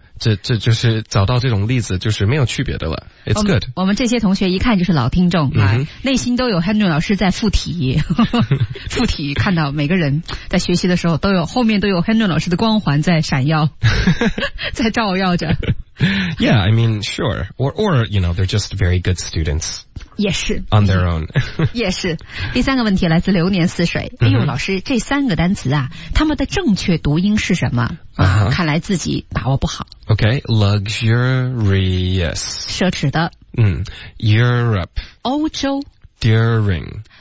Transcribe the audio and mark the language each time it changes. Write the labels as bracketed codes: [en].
[zh] 这就是找到这种例子就是没有区别的了。 [en] It's good。 [zh] 我们这些同学一看就是老听众、啊 mm-hmm. 内心都有 Henry 老师在附体。附体看到每个人在学习的时候都有后面都有 Henry 老师的光环在闪耀。在照耀着。 [en] Yeah, I mean, sure. Or, you know, they're just very good students. [zh] 也是。 [en] On their own. [zh] 也是。第三个问题来自流年似水。哎呦、mm-hmm. 老师这三个单词啊他们的正确读音是什么、 uh-huh. 看来自己把握不好。 [en] OK, luxurious. [zh] 奢侈的。 [en] 嗯。Europe. [zh] 欧洲。 [en] During.